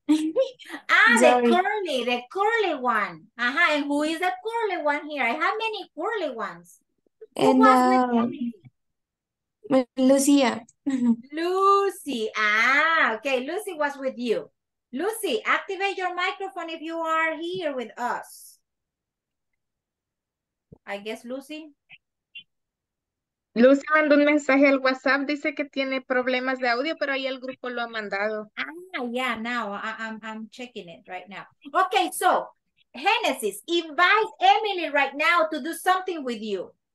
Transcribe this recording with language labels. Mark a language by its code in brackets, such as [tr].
[en] the curly one. And who is the curly one here? I have many curly ones. And Lucia. Lucy. Ah, okay. Lucy was with you. Lucy, activate your microphone if you are here with us. I guess Lucy. [es] Lucy mandó un mensaje al WhatsApp, dice que tiene problemas de audio, pero ahí el grupo lo ha mandado. [en] Ah, yeah, now I'm checking it right now. Okay, so, Genesis, invite Emily right now to do something with you.